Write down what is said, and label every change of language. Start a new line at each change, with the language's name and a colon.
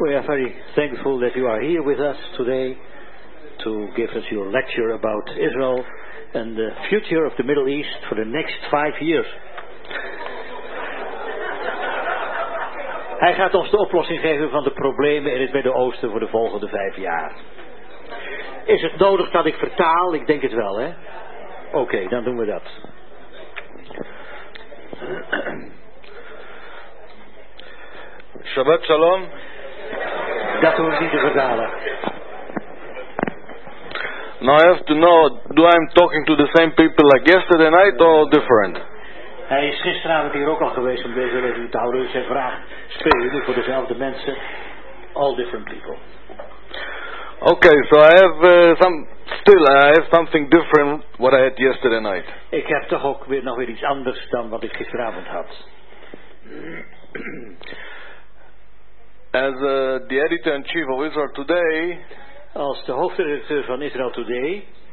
English: We are very thankful that you are here with us today to give us your lecture about Israel and the future of the Middle East for the next 5 years.
Dutch: Hij gaat ons de oplossing geven van de problemen in het Midden-Oosten voor de volgende 5 jaar. Is het nodig dat ik vertaal? Ik denk het wel, hè? Oké, dan doen we dat.
Hebrew: Shabbat shalom.
Dutch: Dat hoef ik niet te vertalen.
English: Now I have to know, do I'm talking to the same people like yesterday night or different?
Dutch: Hij is gisteravond hier ook al geweest om deze lezing te houden. Dus hij vraagt, speel jullie voor dezelfde mensen?
English: All different people. Okay, so I have I have something different what I had yesterday night.
Dutch: Ik heb toch ook weer nog weer iets anders dan wat ik gisteravond had.
English: As the editor-in-chief of Israel Today.
Dutch: Als de hoofdredacteur van Israel Today.